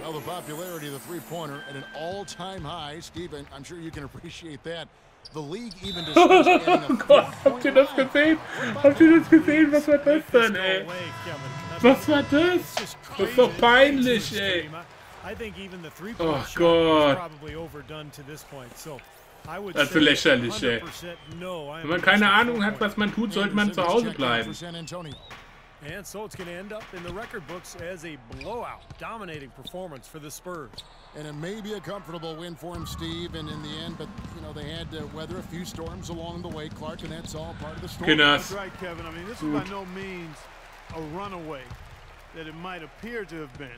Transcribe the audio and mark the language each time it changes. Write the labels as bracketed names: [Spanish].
[English] Well, the popularity of the three-pointer at an all-time high, Steven, I'm sure you can appreciate that. The league even discussed adding a four-pointer. [German] Habt ihr das gesehen? Habt ihr das gesehen? Was war das denn, ey? Was war das? Das ist doch peinlich, ey. [English] I think even the three-pointer shot is probably overdone to this point, so... [German] Also lächerlich, ey. Wenn man keine Ahnung hat, was man tut, sollte man zu Hause bleiben. [English] And so it's going to end up in the record books as a blowout, dominating performance for the Spurs. And it may be a comfortable win for him, Steve, and in the end, but, you know, they had to weather a few storms along the way, Clark, and that's all part of the story. Goodness. That's right, Kevin. I mean, this is by no means a runaway that it might appear to have been.